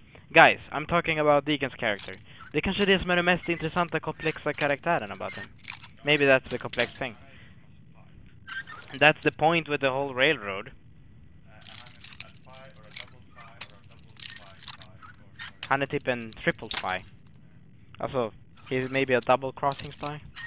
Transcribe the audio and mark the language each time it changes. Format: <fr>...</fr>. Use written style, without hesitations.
<en>Guys, I'm talking about Deacon's character.</en> <sv>Det kanske är det som är den mest intressanta komplexa karaktären</sv> <en>about him. Maybe that's the complex thing. That's the point with the whole railroad.</en> <sv>Han är typ en triple spy. Alltså,</sv> <en>he's maybe a double crossing spy.</en>